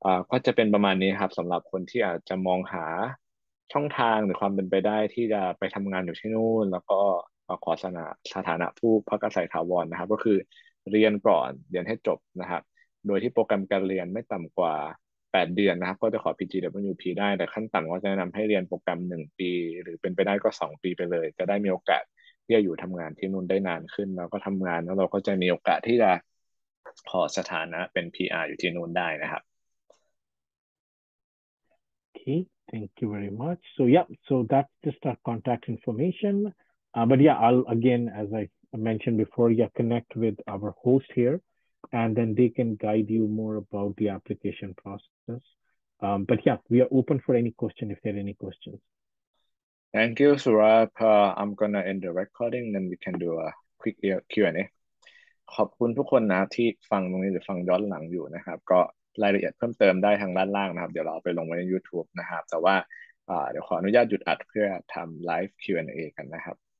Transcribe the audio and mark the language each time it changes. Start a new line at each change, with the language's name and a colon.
Thai: ก็จะเป็นประมาณนี้ครับสำหรับคนที่อาจจะมองหาช่องทางหรือความเป็นไปได้ที่จะไปทำงานอยู่ที่นู่นแล้วก็ขอสถานะผู้พักอาศัยถาวรนะครับก็คือเรียนก่อนเรียนให้จบนะครับโดยที่โปรแกรมการเรียนไม่ต่ำกว่า8 เดือนนะครับก็จะขอ PGWP ได้แต่ขั้นต่ำก็จะแนะนำให้เรียนโปรแกรม1 ปีหรือเป็นไปได้ก็2 ปีไปเลยจะได้มีโอกาสที่จะอยู่ทำงานที่นู่นได้นานขึ้นแล้วก็ทำงานแล้วเราก็จะมีโอกาสที่จะขอสถานะเป็น PR อยู่ที่นู่นได้นะครับ
English: Okay, thank you very much. So yeah, so that's just our contact information. But yeah, I'll again, as I mentioned before, yeah, connect with our host here, and then they can guide you more about the application process. But yeah, we are open for any question if there are any questions. Thank you, Surab. I'm going to end the recording, then we can do a quick Q&A.
Thai: ขอบคุณทุกคนนะที่ฟังตรงนี้หรือฟังย้อนหลังอยู่นะครับก็รายละเอียดเพิ่มเติมได้ทางด้านล่างนะครับเดี๋ยวเราเอาไปลงไว้ใน YouTube นะครับแต่ว่าเดี๋ยวขออนุญาตหยุดอัดเพื่อทำไลฟ์ Q&A กันนะครับ